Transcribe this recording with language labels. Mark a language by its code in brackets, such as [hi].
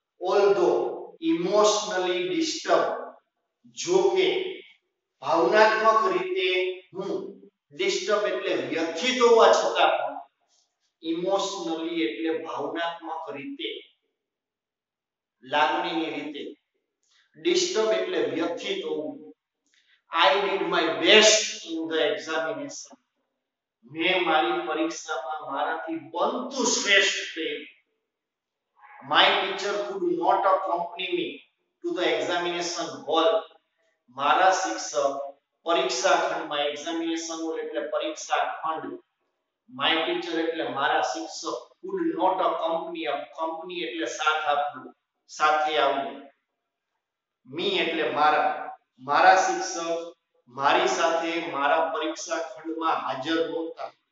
[en] Although emotionally disturbed, [gu] જોકે ભાવનાત્મક રીતે હું ડિસ્ટર્બ એટલે વ્યથિત હોવા છતાં, ઇમોશનલી એટલે ભાવનાત્મક રીતે, લાગણીની રીતે ડિસ્ટર્બ એટલે વ્યથિત હોવું, [en] I did my best in the examination, [gu] મેં મારી પરીક્ષામાં મારાથી બનતું શ્રેષ્ઠ કર્યું. [en] My teacher could not accompany me to the examination hall. [gu] મારા શિક્ષક પરીક્ષા ખંડમાં, [en] examination hall [gu] એટલે પરીક્ષા ખંડ, [en] my teacher [gu] એટલે મારા શિક્ષક [en] could not accompany, [gu] અકમ્પની એટલે સાથ આપવું, સાથે આવવું, મી એટલે મારા, મારા શિક્ષક મારી સાથે મારા પરીક્ષા ખંડમાં હાજર નહોતા.